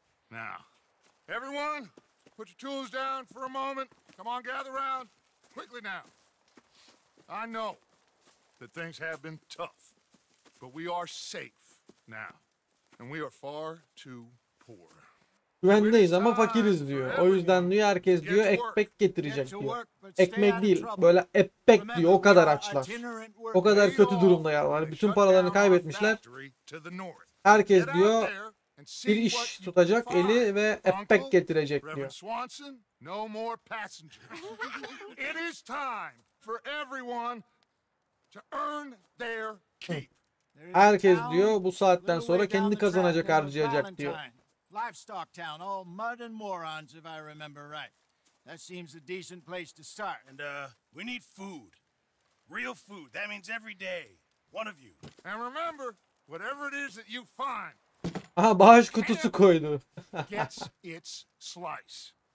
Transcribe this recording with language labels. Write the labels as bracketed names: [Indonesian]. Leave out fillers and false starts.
[English] Now, everyone, put your tools down for a moment. Come on, gather around. Quickly now. I know that things have been tough, but we are safe now. And we are far too [Turkish] Güvendeyiz ama fakiriz diyor. O yüzden diyor herkes diyor ekmek getirecek diyor. Ekmek değil böyle ekmek diyor. O kadar açlar. O kadar kötü durumda yerler. Bütün paralarını kaybetmişler. Herkes diyor bir iş tutacak eli ve ekmek getirecek diyor. [English] No more passengers. It is time for everyone to earn their keep. [Turkish] Herkes diyor bu saatten sonra kendi kazanacak harcayacak diyor. [English] Livestock town, all mud and morons if I remember right. That seems a decent place to start. And we need food. Real food. That means every day. One of you. And remember, whatever it is that you find. [Turkish] Aha bağış kutusu koydu. [English] Gets its slice.